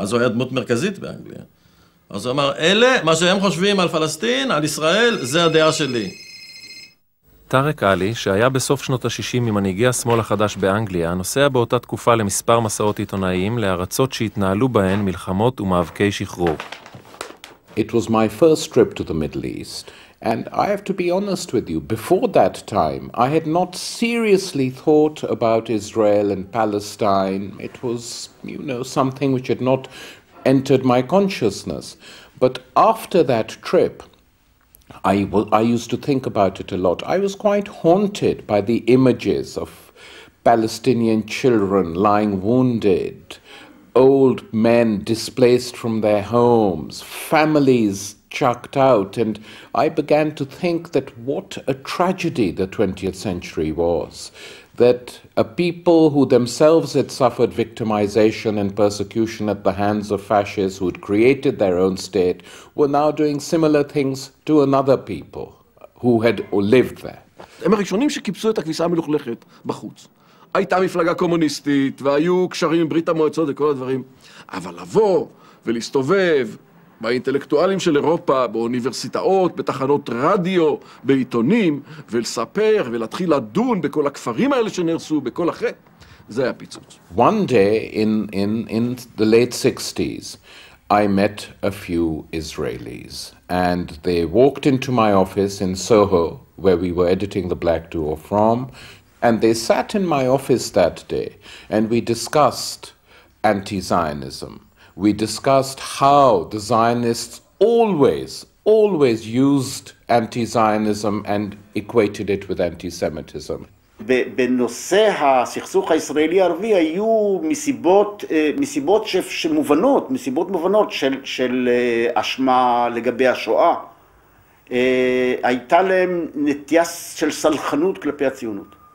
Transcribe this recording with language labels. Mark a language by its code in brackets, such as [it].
[he] אז הוא היה דמות מרכזית באנגליה. אז הוא אמר, אלה, מה שהם חושבים על פלסטין, על ישראל, זה הדעה שלי. טריק עלי, שהיה בסוף שנות ה-60 ממנהיגי השמאל החדש באנגליה, נוסע באותה תקופה למספר מסעות עיתונאיים לארצות שהתנהלו בהן מלחמות ומאבקי שחרור. [en] It was my first trip to the Middle East. And I have to be honest with you, before that time, I had not seriously thought about Israel and Palestine. It was, you know, something which had not entered my consciousness. But after that trip, I used to think about it a lot. I was quite haunted by the images of Palestinian children lying wounded, old men displaced from their homes, families chucked out, and I began to think that what a tragedy the 20th century was, that a people who themselves had suffered victimization and persecution at the hands of fascists who had created their own state were now doing similar things to another people who had lived there. [he] הם הראשונים שקיפשו את הכביסה המלוכלכת בחוץ. הייתה מפלגה קומוניסטית, והיו קשרים עם ברית המועצות וכל הדברים, אבל לבוא ולהסתובב באינטלקטואלים של אירופה, באוניברסיטאות, בתחנות רדיו, בעיתונים, ולספר ולהתחיל לדון בכל הכפרים האלה שנרסו, בכל אחרי, זה היה פיצוץ. [en] One day in the late 60s, I met a few Israelis, and they walked into my office in Soho, where we were editing the Black Duo from, and they sat in my office that day, and we discussed anti-Zionism. We discussed how the Zionists always, always used anti-Zionism and equated it with anti-Semitism. [he] בנושא הסכסוך הישראלי-ערבי היו מסיבות שמובנות, מסיבות מובנות של אשמה לגבי השואה. הייתה להם נטייה של סלחנות כלפי הציונות.